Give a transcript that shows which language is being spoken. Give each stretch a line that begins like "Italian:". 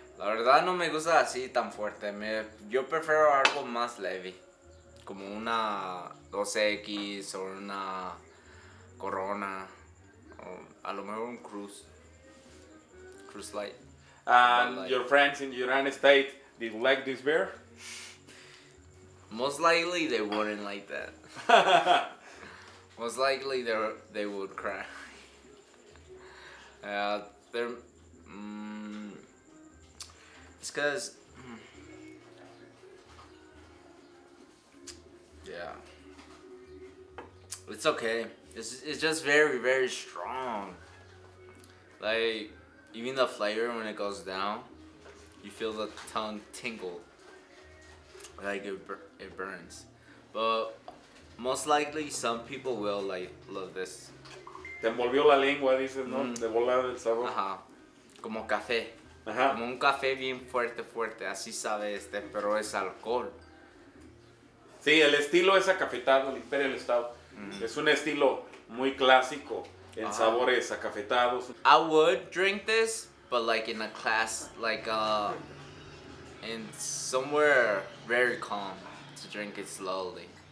Spanish: La verdad no me gusta así tan fuerte. Yo prefiero algo más leve. Como una 2X o una Corona o a lo mejor un Cruz Light.
English: And your friends in the United States, did you like this beer? Most likely they wouldn't like that. Most likely they would cry. It's because... Yeah, it's okay. It's just very, very strong. Like, even the flavor when it goes down, you feel the tongue tingle. Like it burns. But most likely some people will like love this.
Spanish: Te envolvió la lengua, dices, ¿no? De volada el sabor. Ajá, como café. Ajá. Como un café bien fuerte, fuerte. Así sabe este, pero es alcohol. Sí, el estilo es acafetado, el Imperial Stout. Mm-hmm. Es un estilo muy clásico en sabores acafetados.
English: I would drink this, but like in a class, like in somewhere very calm to drink it slowly.